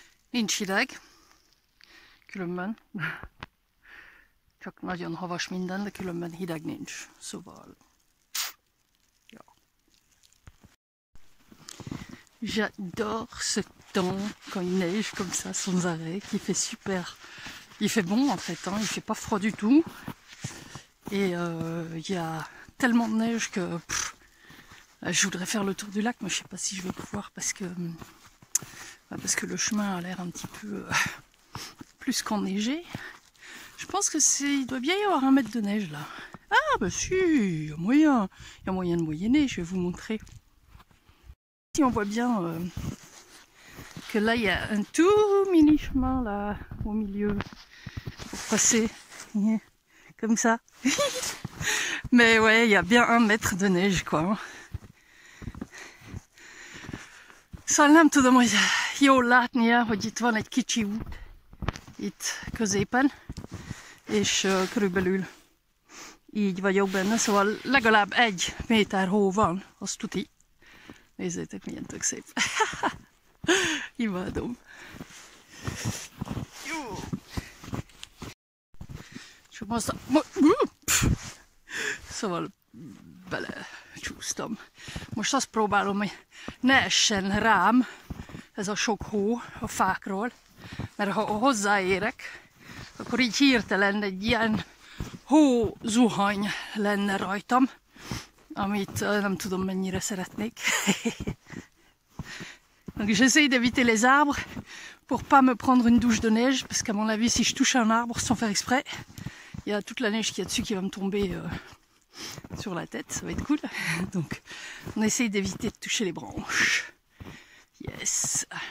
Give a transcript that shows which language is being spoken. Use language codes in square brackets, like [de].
[hu] Nincs hideg, különben, csak nagyon havas minden, de különben hideg nincs, szóval, ja. [fr] J'adore ce temps quand il neige comme ça, sans arrêt, qui fait super, il fait bon en fait, hein. Il fait pas froid du tout, et il y a tellement de neige que je voudrais faire le tour du lac, mais je sais pas si je vais pouvoir parce que le chemin a l'air un petit peu plus qu'enneigé. Je pense que c'est, il doit bien y avoir un mètre de neige là. Ah ben si, il y a moyen de moyenner, je vais vous montrer. Si on voit bien que là il y a un tout mini chemin là au milieu pour passer comme ça. Mais ouais, il y a bien un mètre de neige quoi. [hu] Szóval nem tudom, hogy jól látnia, hogy itt van egy kicsi út itt középen, és körülbelül így vagyok benne, szóval legalább egy méter hó van, azt tuti. Nézzétek, milyen tök szép. Imádom. Jó. Csak most szóval bele csúsztam. Most azt próbálom, hogy ne essen rám ez a sok hó a fákról, mert ha hozzáérek, akkor így hirtelen egy ilyen hózuhany lenne rajtam, amit nem tudom mennyire szeretnék. [fr] Donc j'essaye d'éviter les arbres pour pas me prendre une douche de neige, parce qu'à mon avis, si je touche un arbre sans faire exprès, il y a toute la neige qu'il y a dessus qui va me tomber sur la tête, ça va être cool. Donc on essaye d'éviter de toucher les branches. Yes.